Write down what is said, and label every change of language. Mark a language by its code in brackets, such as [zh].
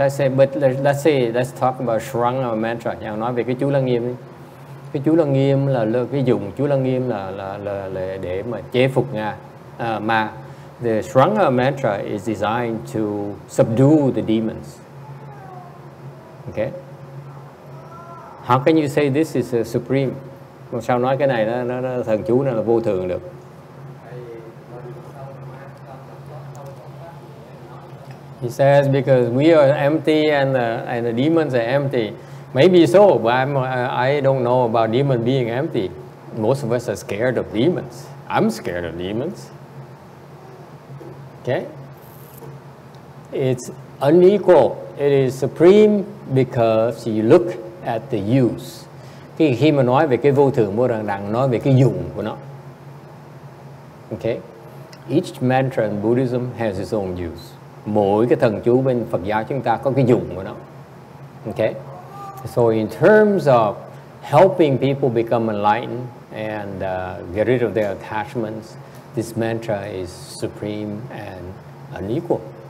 [en] I say, but let's talk about Sharanga mantra. [vi] Nhà nói về cái chú lăng nghiêm đi. Cái chú lăng nghiêm là cái dùng chú lăng nghiêm là để mà chế phục Nga. [en] Mà the Sharanga mantra is designed to subdue the demons. Okay. How can you say this is a supreme? [vi] Còn sao nói cái này nó thần chú này là vô thường được? [en] He says because we are empty and the demons are empty. Maybe so, but I don't know about demons being empty. Most of us are scared of demons. I'm scared of demons. Okay? It's unequal. It is supreme because you look at the use. [vi] Khi mà nói về cái vô thường, vô đẳng đẳng, nói về cái dùng của nó. Okay. [en] Each mantra in Buddhism has its own use. [vi] Mỗi cái thần chú bên Phật giáo chúng ta có cái dùng của nó. [en] Okay. So in terms of helping people become enlightened and get rid of their attachments, this mantra is supreme and unequal.